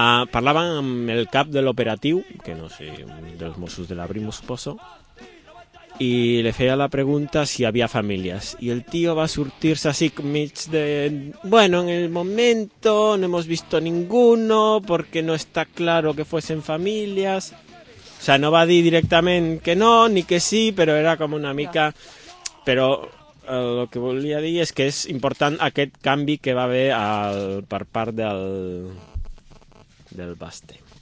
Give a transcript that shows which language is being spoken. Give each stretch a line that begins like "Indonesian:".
Catalan: Parlaven amb el cap de l'operatiu, que no sé, dels Mossos de l'Abril, m'ho suposo, i li feia la pregunta si hi havia famílies. I el tio va sortir-se així mig de...
Spanish: Bueno, en el momento no hemos visto ninguno porque no está claro que fuesen famílies.
Catalan: O sea, no va dir directament que no ni que sí, però era com una mica... Però el que volia dir és que és important aquest canvi que va haver per part del Basté.